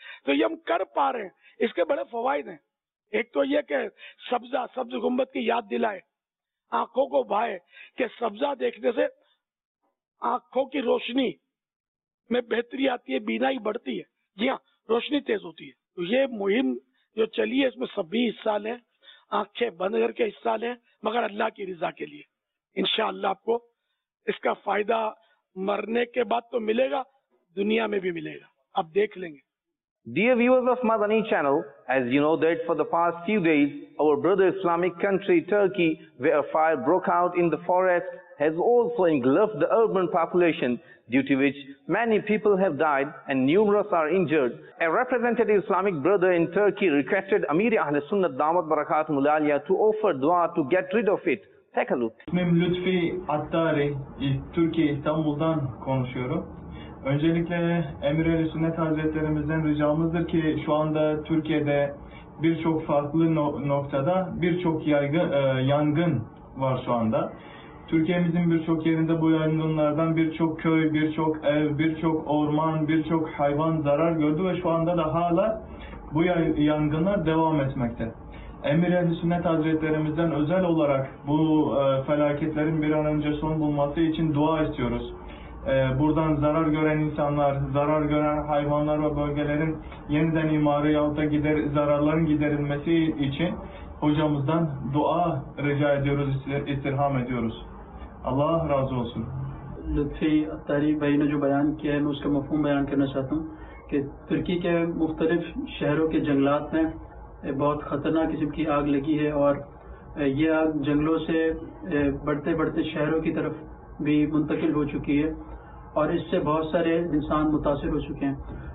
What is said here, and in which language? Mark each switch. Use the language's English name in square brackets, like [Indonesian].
[Urdu] تو یہ ہم کر پا رہے ہیں، اس کے بڑے فوائد ہیں. ایک تو یہ کہ سبزہ سبز گنبد کی یاد دلائے، آنکھوں کو بھائے کہ سبزہ دیکھنے سے آنکھوں کی روشنی میں بہتری آتی ہے، بینائی بڑھتی ہے، جی ہاں روشنی تیز ہوتی ہے. تو یہ مہم جو چلی ہے اس میں سبھی حصہ لیں، آنکھیں بند کر کے حصہ لیں، مگر اللہ کی رضا کے لیے. انشاءاللہ آپ کو اس کا فائدہ مرنے کے بعد تو ملے گا، دنیا میں بھی ملے گا، اب دیکھ لیں گے. [English] Dear viewers of Madani channel, as you know that for the past few days, our brother Islamic country Turkey, where a fire broke out in the forest, has also engulfed the urban population, due to which many people have died and numerous are injured. A representative Islamic brother in Turkey requested Amiri Ahle Sunnat Damat Barakat Mulalia to offer dua to get rid of it. Take a look. [Turkish] İsmim Lütfi Attari, Türkiye İstanbul'dan konuşuyorum. Öncelikle Emir Ehl-i Sünnet Hazretlerimizden ricamızdır ki şu anda Türkiye'de birçok farklı noktada birçok yangın var şu anda. Türkiye'mizin birçok yerinde bu yangınlardan birçok köy, birçok ev, birçok orman, birçok hayvan zarar gördü ve şu anda da hala bu yangınlar devam etmekte. Emir Ehl-i Sünnet Hazretlerimizden özel olarak bu felaketlerin bir an önce son bulması için dua istiyoruz. Buradan zarar gören insanlar, zarar gören hayvanlar ve bölgelerin yeniden imarı yahut da zararların giderilmesi için hocamızdan dua rica ediyoruz, istirham ediyoruz. Allah razı olsun. [Urdu] لطفی اتاری بھائی نے جو بیان کیا ہے میں اس کا مفہوم بیان کرنا چاہتا ہوں کہ ترکی کے مختلف شہروں کے جنگلات میں بہت خطرناک قسم کی آگ لگی ہے اور یہ آگ جنگلوں سے بڑھتے بڑھتے شہروں کی طرف بھی منتقل ہو چکی ہے اور اس سے بہت سارے انسان متاثر ہو چکے ہیں.